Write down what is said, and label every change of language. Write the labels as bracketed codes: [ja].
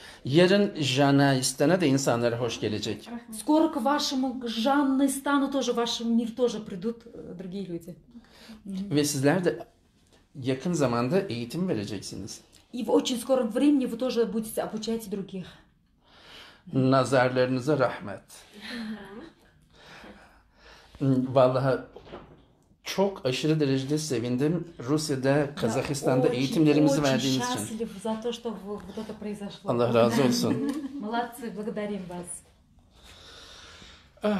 [tr] Yarın Жанна İstan'a da insanlar hoş gelecek. [ru] Скоро к вашему Жанна İstan'у тоже в ваш мир тоже придут другие люди. [tr] Ve sizler de yakın zamanda eğitim vereceksiniz. [ru] И в очень скором времени вы тоже будете обучать других. [kk] Назарларыныза рахмет. [tr] Vallahi çok aşırı derecede sevindim Rusya'da, Kazakistan'da eğitimlerimizi verdiğiniz için. [ru] Очень счастлив за то, что вот это произошло. [tr] Allah razı olsun. [ru] Молодцы, благодарим вас.